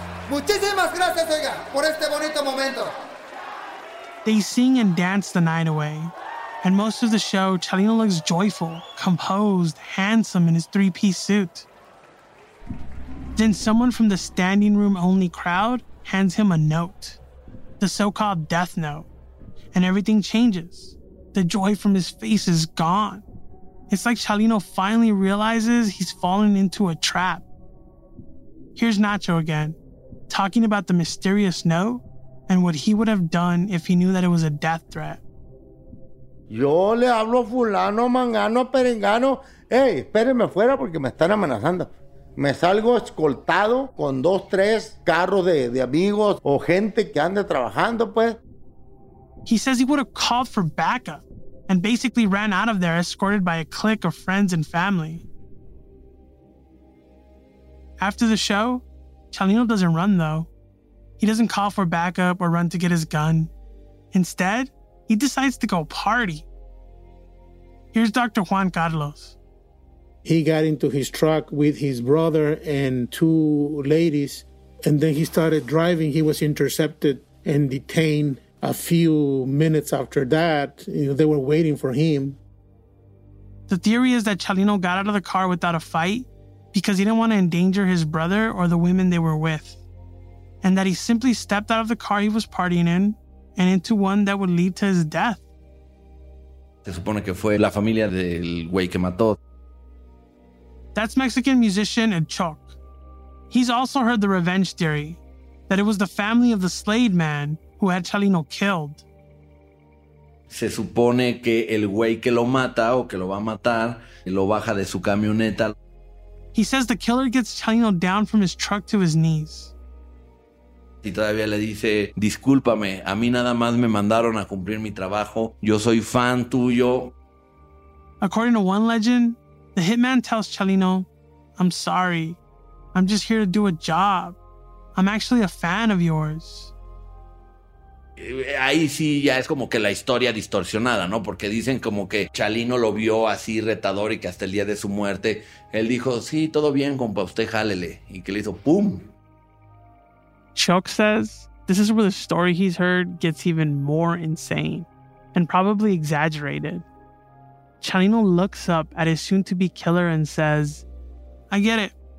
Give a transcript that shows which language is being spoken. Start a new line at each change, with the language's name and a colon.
Spanish: Muchísimas gracias, oiga, por este bonito momento.
English: They sing and dance the night away. And most of the show, Chalino looks joyful, composed, handsome in his three-piece suit. Then someone from the standing room only crowd hands him a note, the so-called death note. And everything changes. The joy from his face is gone. It's like Chalino finally realizes he's fallen into a trap. Here's Nacho again, talking about the mysterious note and what he would have done if he knew that it was a death threat.
Spanish: Yo le hablo a fulano, mangano, perengano. Hey, espérenme afuera porque me están amenazando. Me salgo escoltado con dos, tres carros de amigos o gente que ande trabajando, pues.
English: He says he would have called for backup and basically ran out of there escorted by a clique of friends and family. After the show, Chalino doesn't run, though. He doesn't call for backup or run to get his gun. Instead, he decides to go party. Here's Dr. Juan Carlos. He got into his truck with his brother and two ladies, and then he started driving. He was intercepted and detained a few minutes after that. You know, they were waiting for him. The theory is that Chalino got out of the car without a fight because he didn't want to endanger his brother or the women they were with, and that he simply stepped out of the car he was partying in and into one that would lead to his death.
Spanish: Se supone que fue la familia del güey que mató.
English: That's Mexican musician El Choc. He's also heard the revenge theory, that it was the family of the slayed man who had Chalino killed.
Spanish: Se supone que el güey que lo mata o que lo va a matar lo baja de su camioneta.
English: He says the killer gets Chalino down from his truck to his knees.
Spanish: Y todavía le dice, discúlpame, a mí nada más me mandaron a cumplir mi trabajo. Yo soy fan tuyo.
English: According to one legend, the hitman tells Chalino, I'm sorry. I'm just here to do a job. I'm actually a fan of yours.
Spanish: Ahí sí ya es como que la historia distorsionada, ¿no? Porque dicen como que Chalino lo vio así retador y que hasta el día de su muerte, él dijo, sí, todo bien, compa, usted jálele. Y que le hizo, ¡pum!
English: Chuck says, this is where the story he's heard gets even more insane and probably exaggerated. Chalino looks up at his soon-to-be killer and says, I get it.